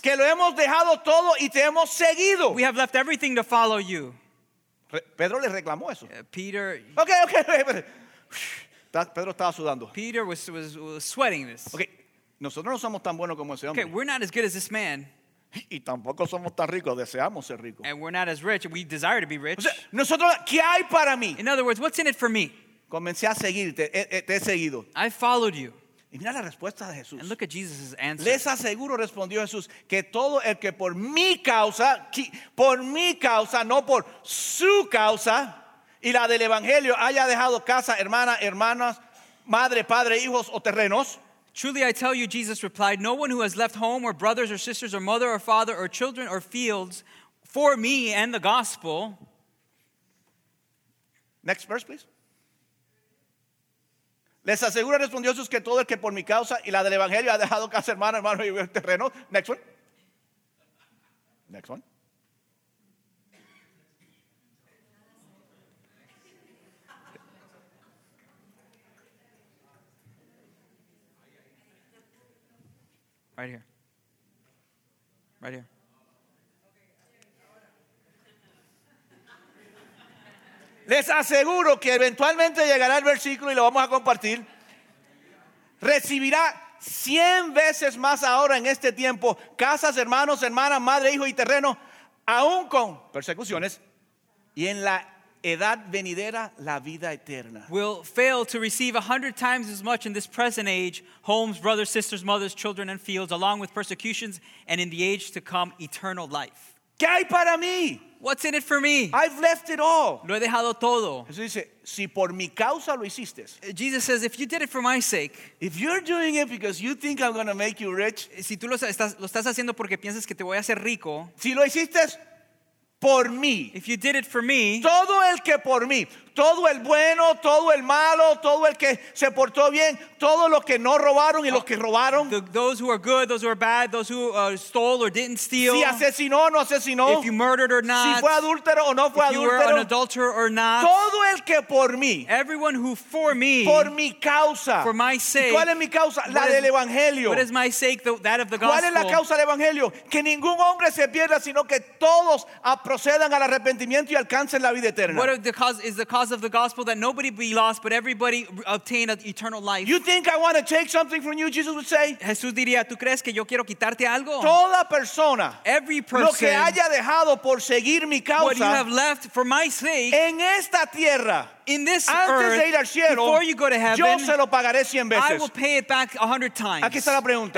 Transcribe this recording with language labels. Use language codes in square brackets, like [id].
[es] Que lo hemos dejado todo y te hemos seguido. [en] We have left everything to follow you. [es] Pedro le reclamó eso. [en] Peter. [es] Okay. Pedro estaba sudando. [en] Peter was sweating this. Okay. [es] Nosotros no somos tan buenos como ese hombre. [en] Okay, we're not as good as this man. [es] Y tampoco somos tan ricos, deseamos ser ricos. [en] And we're not as rich, we desire to be rich. [es] O sea, nosotros, ¿qué hay para mí? [en] In other words, what's in it for me? [es] Comencé a seguirte, te he seguido. [en] I followed you. [es] Y mira la respuesta de Jesús. [en] And look at Jesus' answer. [es] Les aseguro, respondió Jesús, que todo el que por mi causa, no por su causa, y la del evangelio haya dejado casa, hermana, hermanas, madre, padre, hijos o terrenos. [en] Truly I tell you, Jesus replied, no one who has left home or brothers or sisters or mother or father or children or fields for me and the gospel. Next verse, please. [es] Les aseguro, respondió Jesús, que todo el que por mi causa y la del evangelio ha dejado casa, hermana, hermano y terreno. [en] Next one. Next one. Right here. Right here. [es] Les aseguro que eventualmente llegará el versículo y lo vamos a compartir. Recibirá 100 veces más ahora en este tiempo casas, hermanos, hermanas, madre, hijo y terreno, aún con persecuciones, y en la edad venidera la vida eterna. [en] Will fail to receive 100 times as much in this present age, homes, brothers, sisters, mothers, children and fields, along with persecutions, and in the age to come, eternal life. [es] ¿Qué hay para mí? [en] What's in it for me? I've left it all. [es] Lo he dejado todo. Jesús dice, si por mi causa lo hiciste. [en] Jesus says, if you did it for my sake. If you're doing it because you think I'm going to make you rich. [es] Si tú lo estás haciendo porque piensas que te voy a hacer rico. Si lo hiciste por mí. [en] If you did it for me. [es] Todo el que por mí. Todo el bueno, todo el malo, todo el que se portó bien, todo lo que no robaron y los que robaron. [en] Those who are good, those who are bad, those who stole or didn't steal. [es] Si asesinó o no asesinó. [en] If you murdered or not. [es] Si fue adúltero o no fue adúltero. [en] If you were an adulterer or not. [es] Todo el que por mí. [en] Everyone who for me. [es] Por mi causa. [en] For my sake. [es] ¿Cuál es mi causa? La del evangelio. [en] What is my sake? That of the gospel. [es] ¿Cuál es la causa del evangelio? Que ningún hombre se pierda, sino que todos procedan al arrepentimiento y alcancen la vida eterna. [en] What the cause is the cause of the gospel, that nobody be lost, but everybody obtain an eternal life. You think I want to take something from you? Jesus would say. [es] Jesús diría, ¿tú crees que yo quiero quitarte algo? Toda persona, [en] every person, [es] lo que haya dejado por seguir mi causa, [en] what you have left for my sake, [es] en esta tierra, [en] in this [es] antes [en] earth, [es] de ir al cielo, [en] before you go to heaven, [es] yo se lo pagaré 100 veces. [en] I will pay it back 100 times. [es] Aquí está la pregunta.